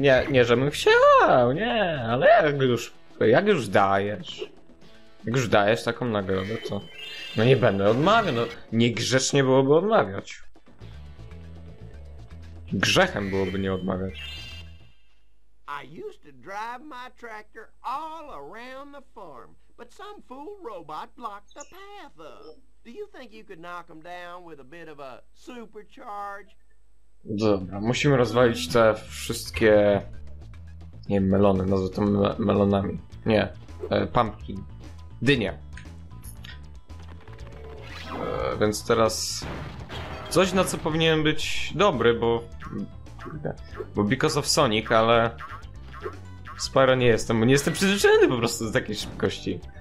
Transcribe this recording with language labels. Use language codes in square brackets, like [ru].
[pl] Nie, żebym chciał, nie, ale jak już dajesz taką nagrodę, to no nie będę odmawiał, no niegrzecznie byłoby odmawiać. Grzechem byłoby nie odmawiać. [en] I used to drive my tractor all around the farm, but some fool robot blocked the path up. Do you think you could knock him down with a bit of a supercharge? [pl] Dobra, musimy rozwalić te wszystkie, nie wiem, melony, nazwę to melonami, nie, pumpkin, dynia. Więc teraz coś, na co powinien być dobry, bo [en] because of [pl] Sonic, ale Spyro nie jestem, bo nie jestem przyzwyczajony po prostu do takiej szybkości.